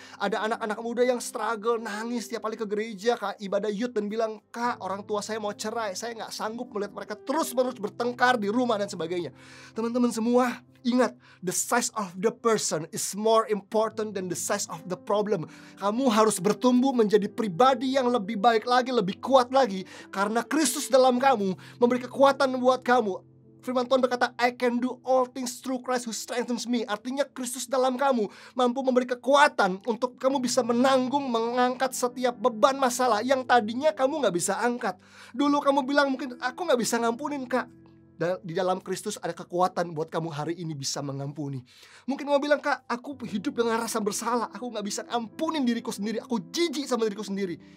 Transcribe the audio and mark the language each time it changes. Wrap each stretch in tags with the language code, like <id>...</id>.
<id>Ada anak-anak muda yang struggle, nangis tiap kali ke gereja, ke ibadah youth dan bilang, kak, orang tua saya mau cerai, saya gak sanggup melihat mereka terus-menerus bertengkar di rumah dan sebagainya. Teman-teman semua, ingat,</id> <en>the size of the person is more important than the size of the problem.</en> <id>Kamu harus bertumbuh menjadi pribadi yang lebih baik lagi, lebih kuat lagi, karena Kristus dalam kamu memberi kekuatan buat kamu. Firman Tuhan berkata,</id> <en>I can do all things through Christ who strengthens me.</en> <id>Artinya Kristus dalam kamu mampu memberi kekuatan untuk kamu bisa menanggung, mengangkat setiap beban masalah yang tadinya kamu gak bisa angkat. Dulu kamu bilang mungkin, aku gak bisa ngampunin kak. Di dalam Kristus ada kekuatan buat kamu hari ini bisa mengampuni. Mungkin kamu bilang, kak, aku hidup dengan rasa bersalah, aku gak bisa ngampunin diriku sendiri, aku jijik sama diriku sendiri.</id>